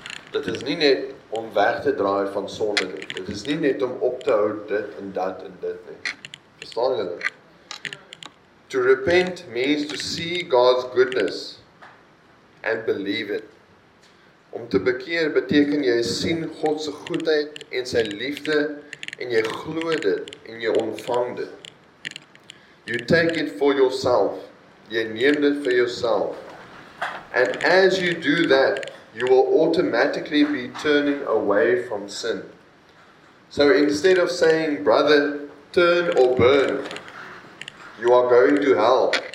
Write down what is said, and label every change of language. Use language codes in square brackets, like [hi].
[af] Dit is nie net om weg te draai van sonde nie. Dit is nie net om op te hou dit en dat en dit nie. Verstaan julle? [en] To repent means to see God's goodness and believe it. [af] Om te bekeer beteken jy sien God se goedheid en sy liefde en jy glo dit en jy ontvang dit. [en] You take it for yourself. [af] Jy neem dit vir jouself. [en] And as you do that, you will automatically be turning away from sin. So instead of saying, brother, turn or burn, you are going to hell.